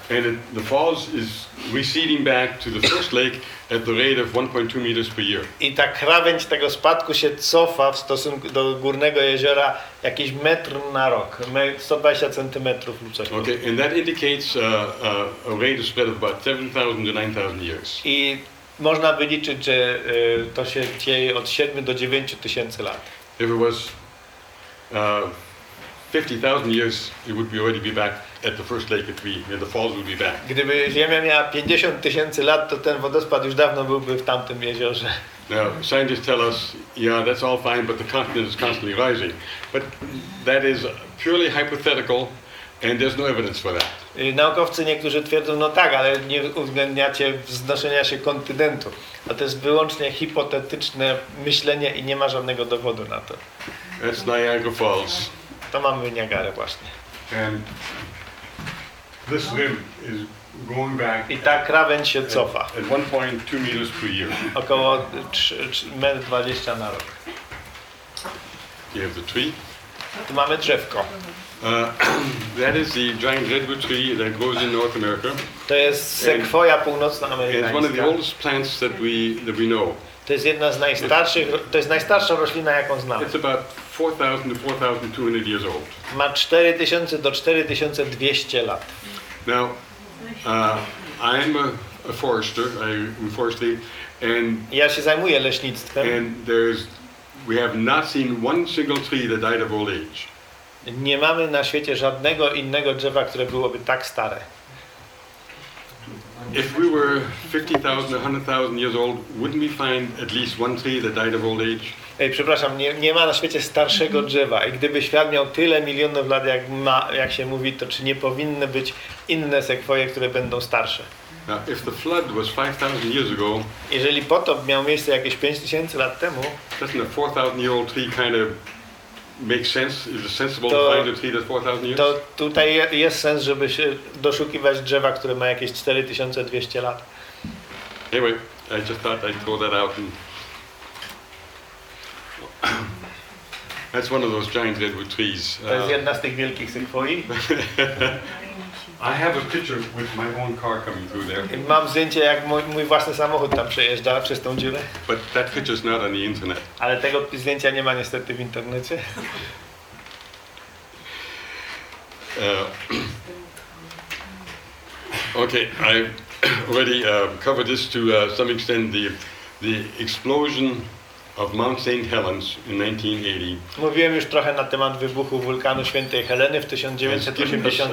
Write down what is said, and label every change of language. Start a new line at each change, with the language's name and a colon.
English: And the falls is receding back to the first lake at the rate of 1.2 meters per year.
Polish: I ta krawędź tego spadku się cofa w stosunku do górnego jeziora jakiś metr na rok, 120 centymetrów lub coś.
English: Okay, and that indicates a rate of spread of about 7,000 to 9,000 years.
Polish: I można wyliczyć, że to się dzieje od 7 do 9 tysięcy lat.
English: If it was 50,000 years, it would be already be back at the first lake, the falls would be back.
Polish: Gdyby Ziemia miała 50 tysięcy lat, to ten wodospad już dawno byłby w tamtym jeziorze.
English: Now, scientists tell us, yeah, that's all fine, but the continent is constantly rising. But that is purely hypothetical, and there's no evidence for that.
Polish: Naukowcy niektórzy twierdzą, no tak, ale nie uwzględniacie wznoszenia się kontynentu. A to jest wyłącznie hipotetyczne myślenie i nie ma żadnego dowodu na to.
English: That's Niagara Falls.
Polish: To mamy Niagarę właśnie.
English: And this rim is going back.
Polish: I ta krawędź się cofa.
English: At 1.2 meters per year.
Polish: Około 1,20 m na rok.
English: You have the tree.
Polish: Tu mamy drzewko.
English: That is the giant redwood tree that grows in North America.
Polish: To jest sekwoja północnoamerykańska.
English: It's one of the oldest plants that we know.
Polish: To jest jedna z najstarszych, to jest najstarsza roślina, jaką znamy.
English: It's about 4,000 to 4,200 years old.
Polish: Ma 4000 do 4200 lat.
English: Now, I'm a forester, I'm foresty, and
Polish: ja się zajmuję leśnictwem.
English: And we have not seen one single tree that died of old age.
Polish: Nie mamy na świecie żadnego innego drzewa, które byłoby tak stare.
English: If we were 50,000 or 100,000 years old, wouldn't we find at least one tree that died of old age?
Polish: Ej, przepraszam, nie ma na świecie starszego drzewa. I gdyby świat miał tyle milionów lat, jak się mówi, to czy nie powinny być inne sekwoje, które będą starsze?
English: Now, if the flood was 5,000 years ago,
Polish: jeżeli potop miał miejsce jakieś 5,000 lat temu,
English: doesn't a 4,000-year-old tree kind of make sense? Is it sensible to find a tree that's 4,000 years?
Polish: To tutaj jest sens, żeby się doszukiwać drzewa, które ma jakieś 4,200 lat.
English: Anyway, I just thought I'd throw that out. That's one of those giant redwood trees.
Polish: To jest jedna z tych wielkich sekwoi.
English: I have a picture with my own car coming through there.
Polish: Mam zdjęcie, jak mój własny samochód tam przejeżdża przez tą dziurę.
English: But that picture is not on the internet.
Polish: Ale tego zdjęcia nie ma niestety w internecie.
English: Okay, I've already covered this to some extent, the explosion of Mount St. Helens in 1980.
Polish: Mówiłem już trochę na temat wybuchu wulkanu Świętej Heleny w 1980